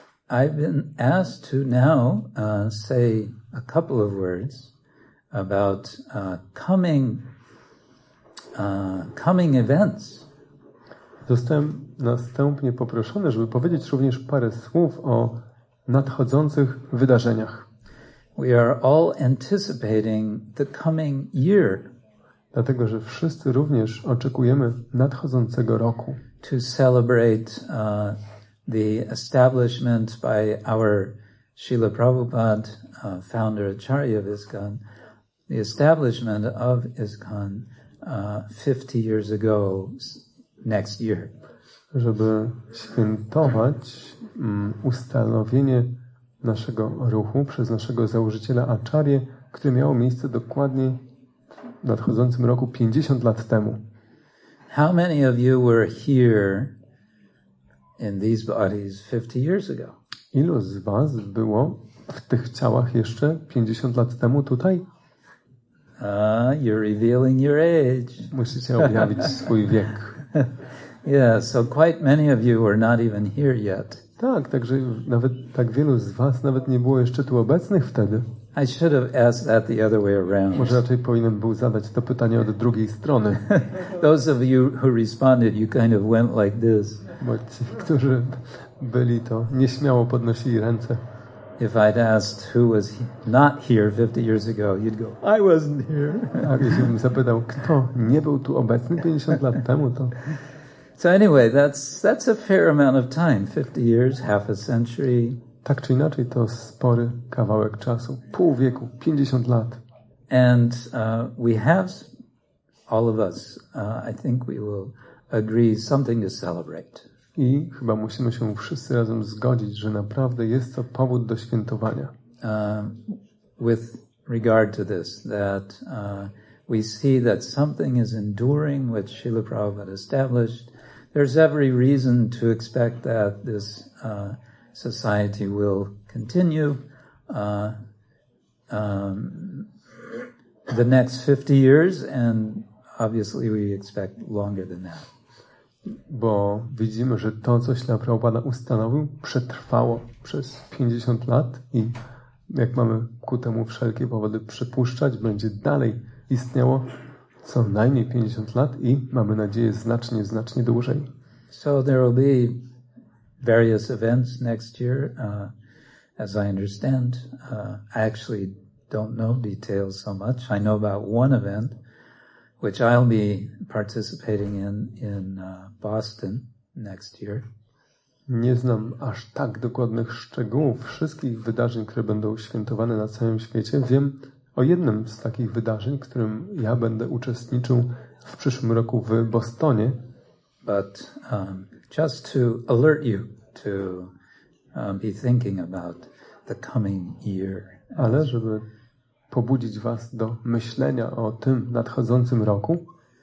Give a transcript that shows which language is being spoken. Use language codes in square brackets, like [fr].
[en] I've been asked to now say a couple of words about coming events. [pl] Zostałem następnie poproszony, żeby powiedzieć również parę słów o nadchodzących wydarzeniach. [en] We are all anticipating the coming year. [pl] Dlatego, że wszyscy również oczekujemy nadchodzącego roku. [en] To celebrate the establishment by our Srila Prabhupada, founder Acharya of ISKCON, the establishment of ISKCON 50 years ago next year. [pl] Żeby świętować ustanowienie naszego ruchu przez naszego założyciela Acharya, które miało miejsce dokładnie w nadchodzącym roku 50 lat temu. [en] How many of you were here in these bodies 50 years ago? [pl] Ilu z was było w tych ciałach jeszcze 50 lat temu tutaj? [en] You're revealing your age. [pl] Musicie objawić swój wiek. [en] Yeah, so quite many of you were not even here yet. [pl] Tak, także nawet tak wielu z was nawet nie było jeszcze tu obecnych wtedy. [en] I should have asked that the other way around. [pl] Może raczej powinien był zadać to pytanie od drugiej strony. [en] Those of you who responded, you kind of went like this. [pl] Bo ci, którzy byli, to nieśmiało podnosili ręce. [en] If I'd asked who was not here 50 years ago, you'd go, I wasn't here. [pl] A gdybym zapytał, kto nie był tu obecny 50 lat temu, to... [en] So anyway, that's a fair amount of time, 50 years, half a century. [pl] Tak czy inaczej, to spory kawałek czasu, pół wieku, 50 lat. [en] And we have, all of us, I think we will agree, something to celebrate. [pl] I chyba musimy się wszyscy razem zgodzić, że naprawdę jest to powód do świętowania. [en] With regard to this, that we see that something is enduring, which Srila Prabhupada established. There's every reason to expect that this society will continue the next 50 years, and obviously we expect longer than that. [pl] Bo widzimy, że to, co Śla Prabhupada ustanowił, przetrwało przez 50 lat i jak mamy ku temu wszelkie powody przypuszczać, będzie dalej istniało co najmniej 50 lat i mamy nadzieję znacznie, znacznie dłużej. [en] So there will be various events next year, as I understand. I actually don't know details so much. I know about one event, which I'll be participating in Boston next year. [pl] Nie znam aż tak dokładnych szczegółów wszystkich wydarzeń, które będą świętowane na całym świecie. Wiem o jednym z takich wydarzeń, którym ja będę uczestniczył w przyszłym roku w Bostonie. But just to alert you to be thinking about the coming year. Ale żeby pobudzić was do myślenia o tym nadchodzącym roku.